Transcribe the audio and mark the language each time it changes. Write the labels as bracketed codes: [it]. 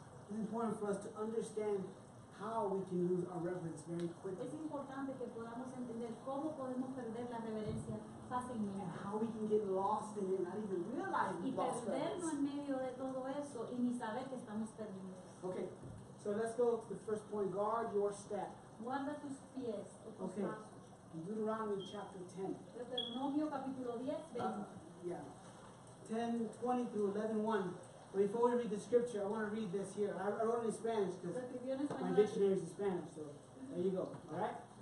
[en] It's important for us to understand how we can lose our reverence very quickly. [es] Es importante que podamos entender cómo podemos perder la reverencia fácilmente. [en] And how we can get lost in it, not even realize we've lost reverence. [es] Y perdernos en medio de todo eso y ni saber que estamos perdidos. [en] Okay, so let's go to the first point. Guard your step. [es] Guarda tus pies o tus [en] okay. [es] pasos. [en] Deuteronomy chapter 10. [es] Deuteronomio capítulo 10, 20. [en] 10:20 through 11:1. But before we read the scripture, I want to read this here. I wrote it in Spanish because my dictionary is in Spanish. So there you go. All right?